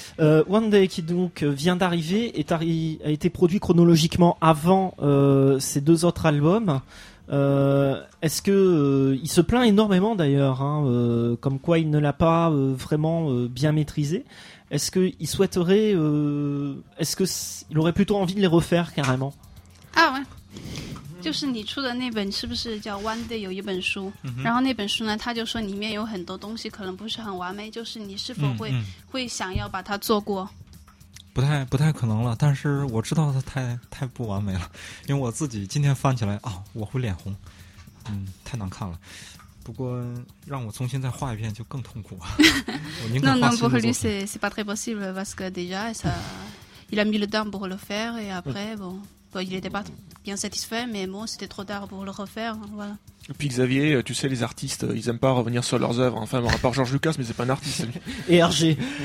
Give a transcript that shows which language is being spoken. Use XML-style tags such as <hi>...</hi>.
<fr>One Day, qui donc vient d'arriver, a été produit chronologiquement avant ses deux autres albums. Est-ce que il se plaint énormément d'ailleurs, hein, comme quoi il ne l'a pas vraiment bien maîtrisé. Est-ce que il souhaiterait, est-ce que il aurait plutôt envie de les refaire carrément ? Ah ouais.</fr> <zh>就是你出的那本是不是叫 One Day 有一本书、然后那本书呢他就说里面有很多东西可能不是很完美，就是你是否会想要把它做过？不太可能了，但是我知道它太不完美了，因为我自己今天翻起来啊、哦、我会脸红，太难看了，不过让我重新再画一遍就更痛苦了。我宁可画新的作品。</zh> <fr>Non, pour lui c'est pas très possible parce que déjà ça, il a mis le temps pour le faire et après bon. Il n'était pas bien satisfait, mais bon, c'était trop tard pour le refaire. Voilà. Et puis Xavier, tu sais, les artistes, ils n'aiment pas revenir sur leurs œuvres. Enfin, à part George Lucas, mais c'est pas un artiste. Et Hergé.</fr>